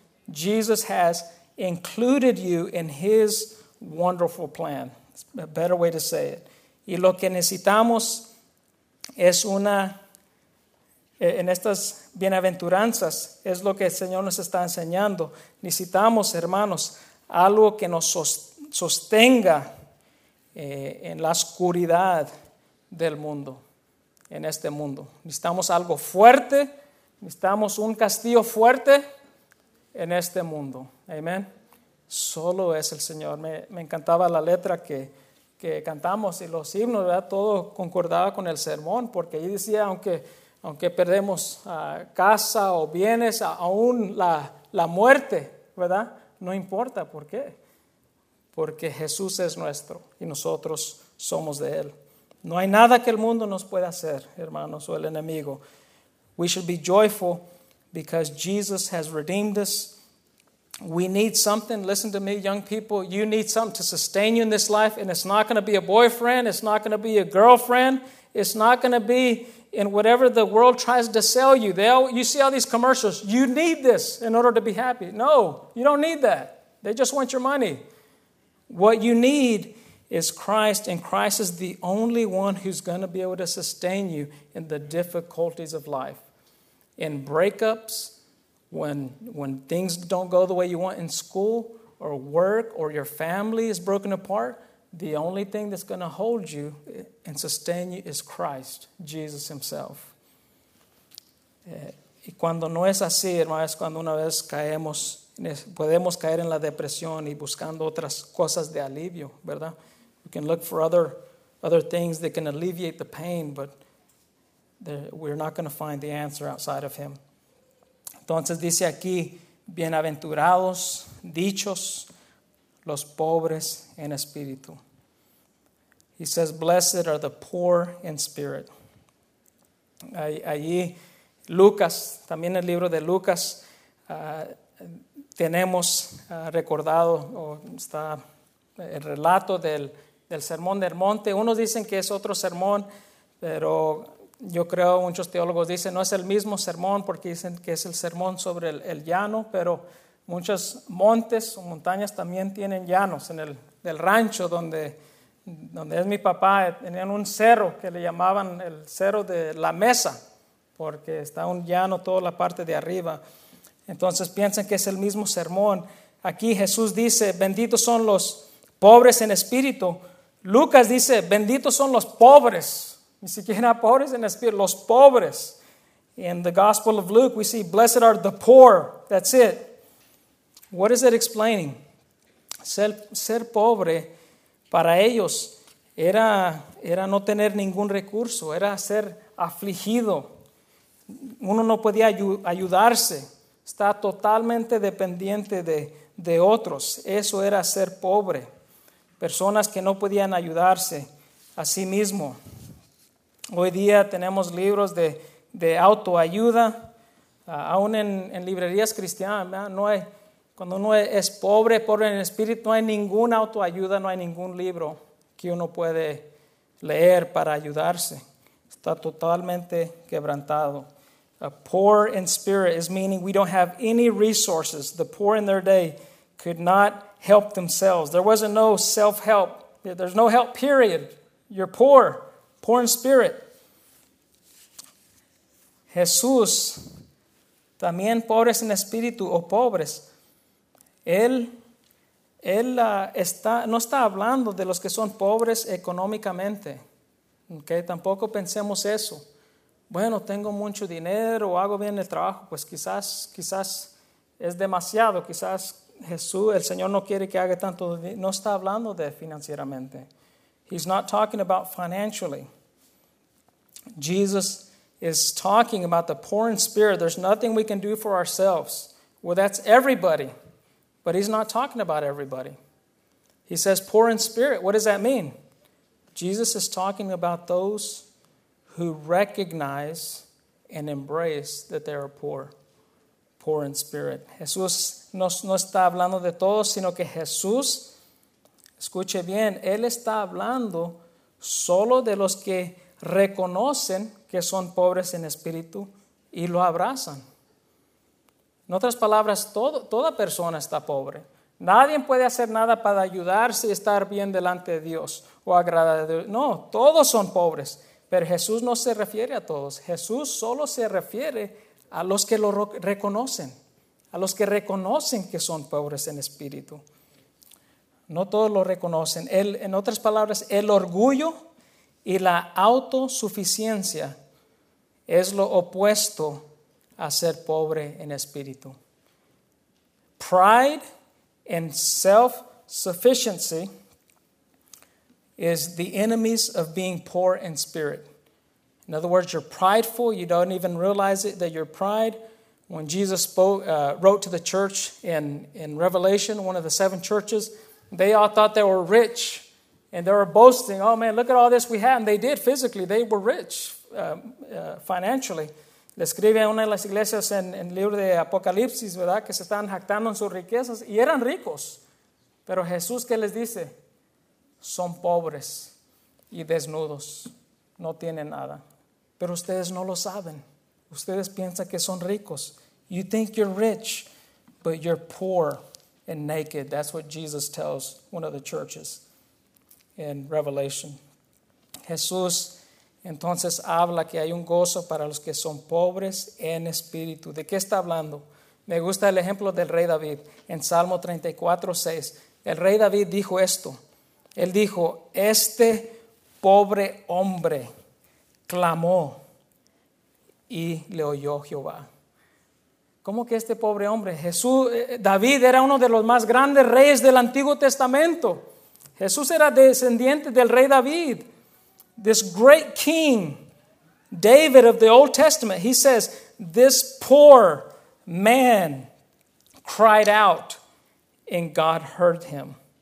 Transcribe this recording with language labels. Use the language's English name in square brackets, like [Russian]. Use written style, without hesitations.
[English] Jesus has included you in his wonderful plan. It's a better way to say it. [Spanish] Y lo que necesitamos es una, en estas bienaventuranzas, es lo que el Señor nos está enseñando. Necesitamos, hermanos, algo que nos sostenga en la oscuridad del mundo, en este mundo. Necesitamos algo fuerte, necesitamos un castillo fuerte en este mundo. Amén. Solo es el Señor. Me encantaba la letra que cantamos y los himnos, ¿verdad? Todo concordaba con el sermón, porque ahí decía, aunque perdemos casa o bienes, aún la muerte, ¿verdad? No importa, ¿por qué? Porque Jesús es nuestro y nosotros somos de Él. No hay nada que el mundo nos pueda hacer, hermanos, o el enemigo. [English] We should be joyful because Jesus has redeemed us. We need something. Listen to me, young people. You need something to sustain you in this life. And it's not going to be a boyfriend. It's not going to be a girlfriend. It's not going to be in whatever the world tries to sell you. You see all these commercials. You need this in order to be happy. No, you don't need that. They just want your money. What you need is Christ, and Christ is the only one who's going to be able to sustain you in the difficulties of life. In breakups, when things don't go the way you want in school or work or your family is broken apart, the only thing that's going to hold you and sustain you is Christ, Jesus himself. [Spanish] Y cuando no es así, hermanos, cuando una vez caemos, podemos caer en la depresión y buscando otras cosas de alivio, ¿verdad? [English] We can look for other things that can alleviate the pain, but we're not going to find the answer outside of him. [Spanish] Entonces dice aquí, bienaventurados, dichos, los pobres en espíritu. [English] He says, blessed are the poor in spirit. [Spanish] Allí, Lucas, también el libro de Lucas, tenemos recordado está el relato del sermón del monte. Unos dicen que es otro sermón, pero yo creo muchos teólogos dicen no es el mismo sermón porque dicen que es el sermón sobre el llano, pero muchos montes o montañas también tienen llanos. En el rancho donde es mi papá, tenían un cerro que le llamaban el cerro de la mesa porque está un llano toda la parte de arriba. Entonces piensan que es el mismo sermón. Aquí Jesús dice, benditos son los pobres en espíritu. Lucas dice, benditos son los pobres. Ni siquiera pobres en espíritu, los pobres. [English] In the Gospel of Luke, we see, blessed are the poor. That's it. What is it explaining? [Spanish] Ser pobre para ellos era no tener ningún recurso. Era ser afligido. Uno no podía ayudarse. Está totalmente dependiente de otros. Eso era ser pobre. Personas que no podían ayudarse a sí mismo. Hoy día tenemos libros de autoayuda. Aún en librerías cristianas, ¿verdad? No hay, cuando uno es pobre, pobre en espíritu, no hay ninguna autoayuda, no hay ningún libro que uno puede leer para ayudarse. Está totalmente quebrantado. [English] A poor in spirit is meaning we don't have any resources. The poor in their day could not help themselves. There wasn't no self-help. There's no help, period. You're poor. Poor in spirit. [Spanish] Jesús, también pobres en espíritu o pobres. Él, Él no está hablando de los que son pobres económicamente. Okay, tampoco pensemos eso. Bueno, tengo mucho dinero, hago bien el trabajo, pues quizás es demasiado, quizás Jesús, el Señor no quiere que haga tanto. No está hablando de financieramente. [English] He's not talking about financially. Jesus is talking about the poor in spirit. There's nothing we can do for ourselves. Well, that's everybody. But he's not talking about everybody. He says poor in spirit. What does that mean? Jesus is talking about those who recognize and embrace that they are poor. Poor in spirit. [Spanish] Jesús no está hablando de todos, sino que Jesús, escuche bien, Él está hablando solo de los que reconocen que son pobres en espíritu y lo abrazan. En otras palabras, toda persona está pobre. Nadie puede hacer nada para ayudarse y estar bien delante de Dios o agradar a Dios. No, todos son pobres, pero Jesús no se refiere a todos. Jesús solo se refiere a los que lo reconocen, a los que reconocen que son pobres en espíritu. No todos lo reconocen. Él, en otras palabras, el orgullo y la autosuficiencia es lo opuesto a ser pobre en espíritu. [English] Pride and self-sufficiency is the enemies of being poor in spirit. In other words, you're prideful, you don't even realize it, that you're pride. When Jesus wrote to the church in Revelation, one of the seven churches, they all thought they were rich, and they were boasting, oh man, look at all this we have. And they did physically, they were rich financially. [Spanish] Le escribe a una de las iglesias en el libro de Apocalipsis, ¿verdad? Que se están jactando en sus riquezas, y eran ricos. Pero Jesús, ¿qué les dice? Son pobres y desnudos. No tienen nada. Pero ustedes no lo saben. Ustedes piensan que son ricos. [English] You think you're rich, but you're poor and naked. That's what Jesus tells one of the churches in Revelation. [Spanish] Jesús entonces habla que hay un gozo para los que son pobres en espíritu. ¿De qué está hablando? Me gusta el ejemplo del rey David. En Salmo 34:6, el rey David dijo esto. Él dijo, este pobre hombre clamó y le oyó Jehová. ¿Cómo que este pobre hombre? Jesús, David era uno de los más grandes reyes del Antiguo Testamento. Jesús era descendiente del rey David. [English] This great king, David of the Old Testament, he says, this poor man cried out and God heard him.